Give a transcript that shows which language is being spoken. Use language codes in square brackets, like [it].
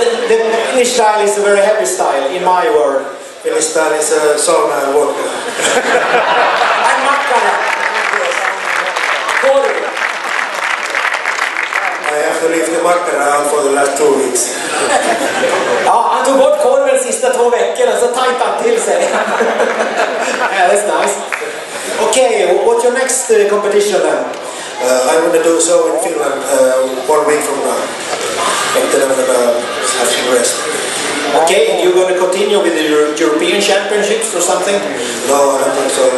[en] The Finnish style is a very heavy style, in my world. Finnish style is a sauna and vodka. And makkara. Yes. I have to leave the makkara out for the last 2 weeks. [sv] Han tog bort korven sista 2 veckorna, så tajtade han till sig. [en] Yeah, that's nice. Okay, what's your next competition then? I'm going to do so in Finland 1 week from now. And then I'm going to have some rest. Okay, and you're going to continue with the European Championships or something? No, I don't think so.